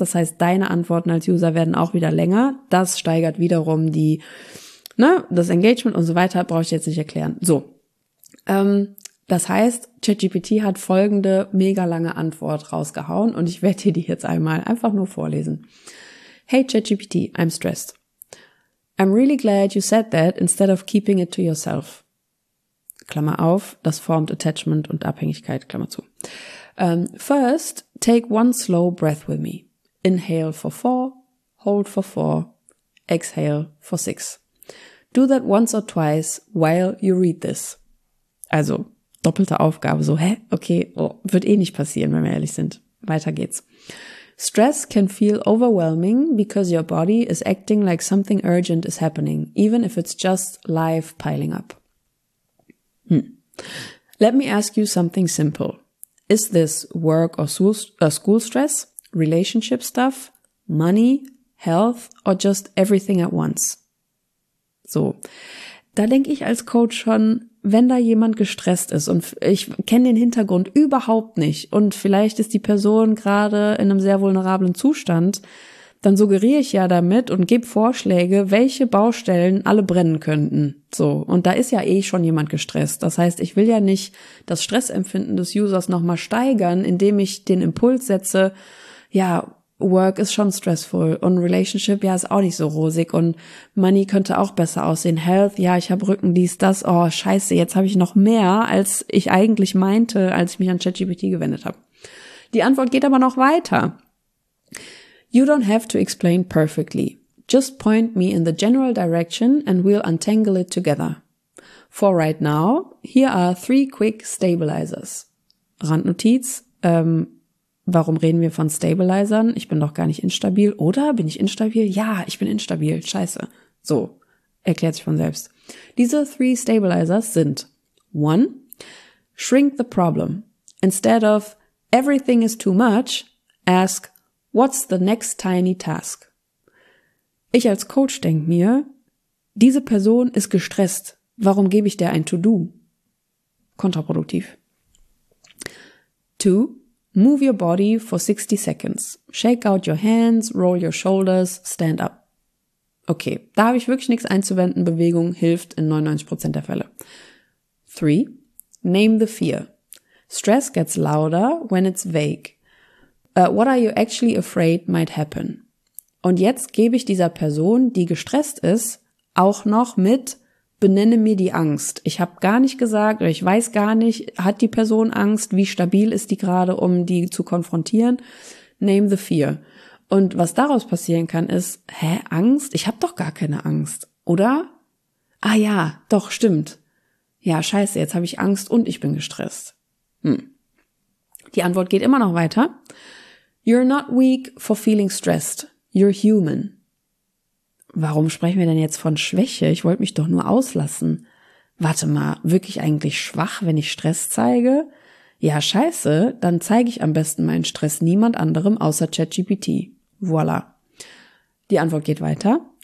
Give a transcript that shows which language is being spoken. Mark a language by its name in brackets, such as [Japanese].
[German] Das heißt, deine Antworten als User werden auch wieder länger. Das steigert wiederum das Engagement und so weiter, brauche ich jetzt nicht erklären. So. Das heißt, ChatGPT hat folgende mega lange Antwort rausgehauen und ich werde dir die jetzt einmal einfach nur vorlesen. [English] Hey ChatGPT, I'm stressed. I'm really glad you said that instead of keeping it to yourself. [German] Klammer auf, das formt Attachment und Abhängigkeit, Klammer zu. [English] First, take one slow breath with me. Inhale for 4, hold for 4, exhale for 6. Do that once or twice while you read this. [German] Also doppelte Aufgabe, so, okay, wird eh nicht passieren, wenn wir ehrlich sind. Weiter geht's. [English] Stress can feel overwhelming because your body is acting like something urgent is happening, even if it's just life piling up. Let me ask you something simple. Is this work or school stress, relationship stuff, money, health or just everything at once? [German] So, da denke ich als Coach schon, wenn da jemand gestresst ist und ich kenne den Hintergrund überhaupt nicht und vielleicht ist die Person gerade in einem sehr vulnerablen Zustand, dann suggeriere ich ja damit und gebe Vorschläge, welche Baustellen alle brennen könnten. So, und da ist ja eh schon jemand gestresst. Das heißt, ich will ja nicht das Stressempfinden des Users nochmal steigern, indem ich den Impuls setze, ja, Work ist schon stressful und Relationship, ja, ist auch nicht so rosig und Money könnte auch besser aussehen. Health, ja, ich habe Rücken, dies, das, oh scheiße, jetzt habe ich noch mehr, als ich eigentlich meinte, als ich mich an ChatGPT gewendet habe. Die Antwort geht aber noch weiter. You don't have to explain perfectly. Just point me in the general direction and we'll untangle it together. For right now, here are 3 quick stabilizers. Randnotiz, warum reden wir von Stabilizern? Ich bin doch gar nicht instabil. Oder bin ich instabil? Ja, ich bin instabil. Scheiße. So, erklärt sich von selbst. Diese 3 Stabilizers sind 1. [English] Shrink the problem. Instead of everything is too much, ask what's the next tiny task? [German] Ich als Coach denke mir, diese Person ist gestresst. Warum gebe ich der ein To-Do? Kontraproduktiv. 2. [English] Move your body for 60 seconds. Shake out your hands, roll your shoulders, stand up. [German] Okay, da habe ich wirklich nichts einzuwenden. Bewegung hilft in 99% der Fälle. [English] 3. Name the fear. Stress gets louder when it's vague. What are you actually afraid might happen? [German] Und jetzt gebe ich dieser Person, die gestresst ist, auch noch mit benenne mir die Angst. Ich habe gar nicht gesagt, oder ich weiß gar nicht, hat die Person Angst? Wie stabil ist die gerade, um die zu konfrontieren? [English] Name the fear. [German] Und was daraus passieren kann, ist, hä, Angst? Ich habe doch gar keine Angst, oder? Ah ja, doch, stimmt. Ja, scheiße, jetzt habe ich Angst und ich bin gestresst. Die Antwort geht immer noch weiter. [English] You're not weak for feeling stressed. You're human. [German] Warum sprechen wir denn jetzt von Schwäche? Ich wollte mich doch nur auslassen. Warte mal, wirklich eigentlich schwach, wenn ich Stress zeige? Ja, scheiße, dann zeige ich am besten meinen Stress niemand anderem außer ChatGPT. Voila. Die Antwort geht weiter.